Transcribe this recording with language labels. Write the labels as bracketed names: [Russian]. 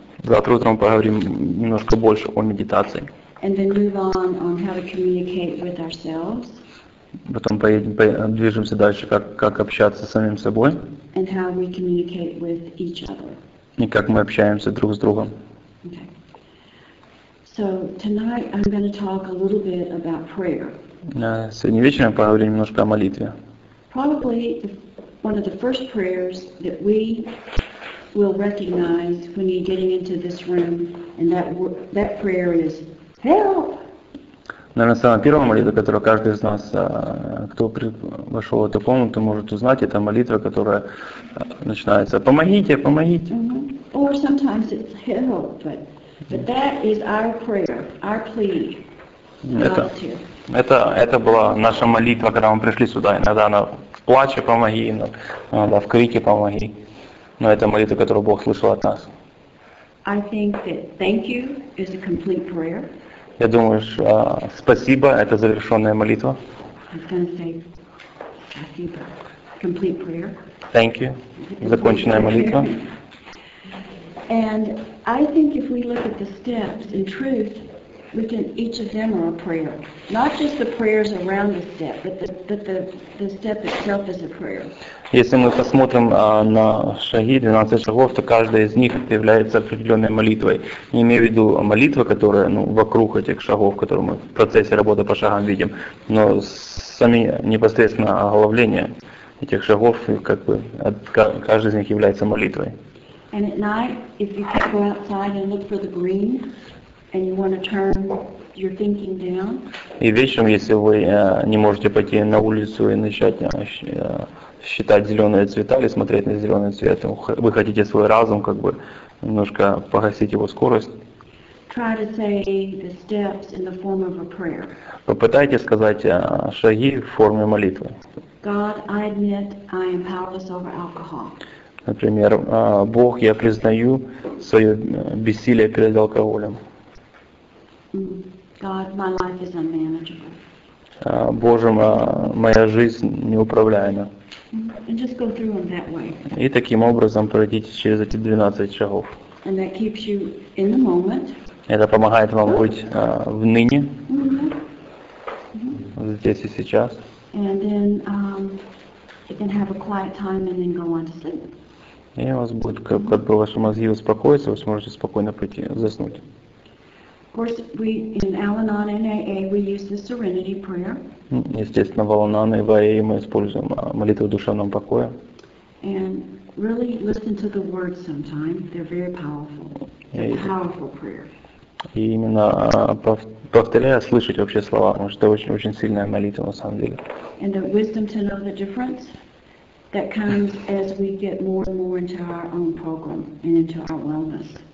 [Russian] Завтра утром поговорим немножко больше о медитации. [English] And then move on how to communicate with ourselves. [Russian] Потом движемся дальше, как общаться с самим собой. [English] And how we communicate with each other. [Russian] И как мы общаемся друг с другом. [English] Okay. So tonight I'm going to talk a little bit about prayer. [Russian] Сегодня вечером поговорим немножко о молитве. [English] Probably one of the first prayers that we will recognize when you're getting into this room, and that prayer is help. [Russian] Наверное, самая первая молитва, которую каждый из нас, кто вошел в эту комнату, может узнать, это молитва, которая начинается: помогите, помогите. Mm-hmm. [English] Or sometimes it's help, but that is our prayer, our plea. [Russian] Это была наша молитва, когда мы пришли сюда. Иногда она в плаче помоги, иногда в крике помоги. Но это молитва, которую Бог слышал от нас. [English] I think that thank you is a complete prayer. [Russian] Я думаю, что спасибо — это завершенная молитва. [English] I was going to say спасибо, complete prayer. Thank you [Russian] — законченная молитва. [English] And I think if we look at the steps in truth, we can each of them are a prayer. Not just the prayers around the step, but the step itself is a prayer. [Russian] Если мы посмотрим на шаги, 12 шагов, то каждая из них является определенной молитвой. Не имею в виду молитва, которая вокруг этих шагов, которые мы в процессе работы по шагам видим, но сами непосредственно оглавление этих шагов, как бы каждый из них является молитвой. [English] And at night, if you can go outside and look for the green, and you want to turn your thinking down. [Russian] И вечером, если вы не можете пойти на улицу и начать считать зеленые цвета или смотреть на зеленый цвет, вы хотите свой разум как бы немножко погасить его скорость. [English] Try to say the steps in the form of a prayer. [Russian] Попытайтесь сказать шаги в форме молитвы. [English] God, I admit I am powerless over alcohol. [Russian] Например, Бог, я признаю свое бессилие перед алкоголем. [English] God, my life is unmanageable. [Russian] Боже, моя жизнь неуправляема. [English] And just go through them that way. [Russian] И таким образом пройдите через эти 12 шагов. [English] And that keeps you in the moment. [Russian] Это помогает вам быть в ныне, Здесь и сейчас. [English] And then you can have a quiet time and then go on to sleep. [Russian] И у вас будет как бы ваши мозги успокоятся, вы сможете спокойно пойти заснуть. [English] Of course, we in Al-Anon and AA we use the Serenity Prayer. [Russian] Естественно, в Al-Anon и в AA мы используем молитву душевного покоя. [English] And really listen to the words sometime. They're very powerful. It's a powerful prayer. [Russian] И именно повторяя, слышать вообще слова, потому что это очень очень сильная молитва на самом деле. [English] And the wisdom to know the difference that comes as we get more and more into our own program and into our wellness.